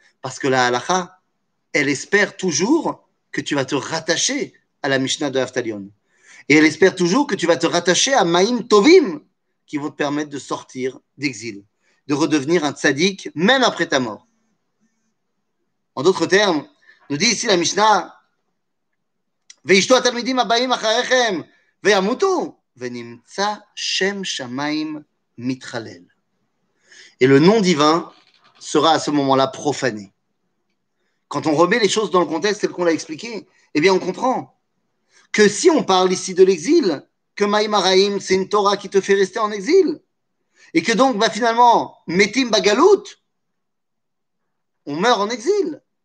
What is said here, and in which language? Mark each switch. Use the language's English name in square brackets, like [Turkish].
[French] Parce que la halakha, elle espère toujours que tu vas te rattacher à la Mishnah de Haftalion. Et elle espère toujours que tu vas te rattacher à Maïm Tovim, qui vont te permettre de sortir d'exil, de redevenir un tzaddik, même après ta mort. En d'autres termes, nous dit ici la Mishnah, [Hebrew] וישתו התלמידים הבאים אחריכם וימותו, ונמצא שם שמיים מתחלל. [French] Et le nom divin sera à ce moment-là profané. Quand on remet les choses dans le contexte tel qu'on l'a expliqué, eh bien on comprend que si on parle ici de l'exil, que Maïm Araïm, c'est une Torah qui te fait rester en exil, et que donc bah, finalement, Metim Bagalout, on meurt en exil.